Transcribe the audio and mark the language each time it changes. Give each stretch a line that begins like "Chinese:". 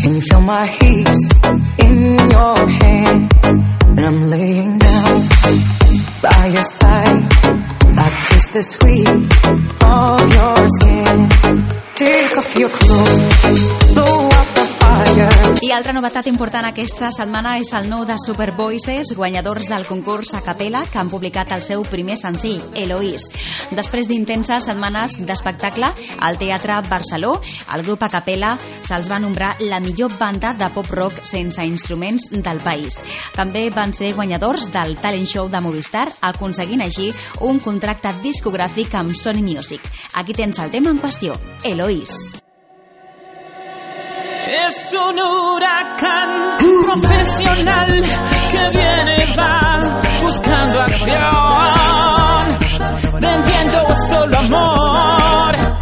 English: Can you feel my hips in your hand? And I'm laying down by your side. I taste the sweet of your skin. Take off your clothes, blow up the fire.
Catalan: I altra novetat important aquesta setmana és el nou de Super Voices, guanyadors del concurs a capella, que han publicat el seu primer senzill, Eloís. Després d'intenses setmanes d'espectacle al Teatre Barceló, el grup a capella se'ls va nombrar la millor banda de pop-rock sense instruments del país. També van ser guanyadors del talent show de Movistar, aconseguint així un contracte discogràfic amb Sony Music. Aquí tens el tema en qüestió, Eloís.
Spanish: Es un huracán profesional que viene y va buscando acción, vendiendo solo amor.